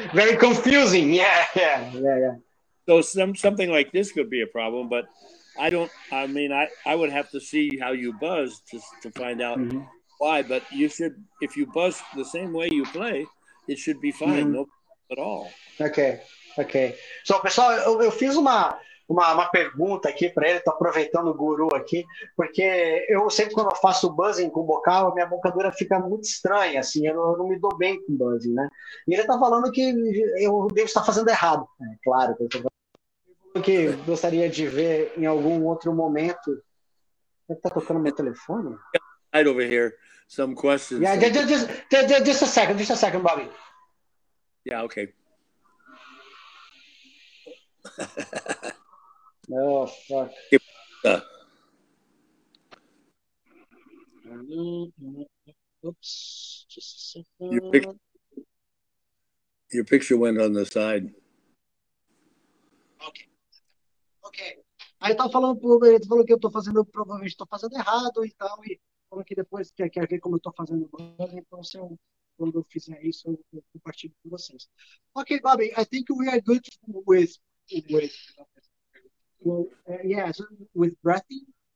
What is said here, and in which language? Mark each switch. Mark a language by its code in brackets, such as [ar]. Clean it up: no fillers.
[en] Very confusing, yeah. So something like this could be a problem, but I would have to see how you buzz to find out... Mm-hmm. Why? But you should, if you buzz the same way you play, it should be fine, no problem at all. Ok. [pt] So, pessoal, eu fiz uma pergunta aqui para ele, tô aproveitando o guru aqui, porque eu sempre quando eu faço buzzing com o bocal, a minha bocadura fica muito estranha, assim, eu não me dou bem com buzzing, né? E ele tá falando que eu devo estar fazendo errado, né? Claro, que eu gostaria de ver em algum outro momento. Ele tá tocando meu telefone? [en] Right over here, some questions. Yeah, just a second, Bobby. Yeah, okay. Oh, fuck. Oops, just a second. Your picture went on the side. Okay. [pt] Aí tá falando pro Uber, ele falou que eu tô fazendo, provavelmente tô fazendo errado e tal, e... que depois quer ver como eu estou fazendo agora, então quando eu fizer isso eu compartilho com vocês. [en] Okay, Bobby, I think we are good with breathing.